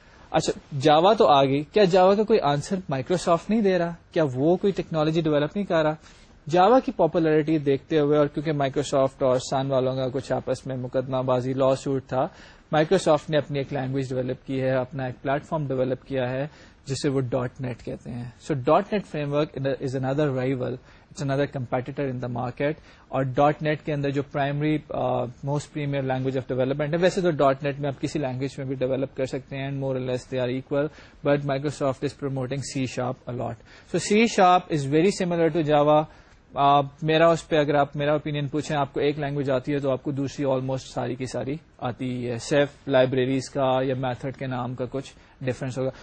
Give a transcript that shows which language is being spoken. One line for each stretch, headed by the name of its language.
Urdu: اچھا جاوا تو آ گئی, کیا جاوا کا کوئی آنسر مائکروسافٹ نہیں دے رہا؟ کیا وہ کوئی ٹیکنالوجی ڈیولپ نہیں کر رہا؟ جاوا کی پاپولرٹی دیکھتے ہوئے, اور کیونکہ مائکروسافٹ اور سن والوں کا کچھ آپس میں مقدمہ بازی لا سوٹ تھا, مائکروسافٹ نے اپنی ایک لینگویج ڈیولپ کی ہے, اپنا ایک پلیٹ فارم ڈیولپ کیا ہے جسے وہ ڈاٹ نیٹ کہتے ہیں.
English: So dot net framework is another rival, it's another competitor in the market.
Urdu: اور ڈاٹ نیٹ کے اندر جو
English: primary most premier language of development
Urdu: ہے, ویسے تو ڈاٹ نیٹ میں آپ کسی لینگویج میں بھی ڈیولپ کر سکتے ہیں,
English: More or less they are equal, but Microsoft is promoting C sharp a lot. So C sharp is very similar to Java.
Urdu: میرا اس پہ اگر آپ میرا اوپینین پوچھیں, آپ کو ایک لینگویج آتی ہے تو آپ کو دوسری آلموسٹ ساری کی ساری آتی ہے, صرف لائبریریز کا یا میتھڈ کے نام کا کچھ ڈفرنس ہوگا.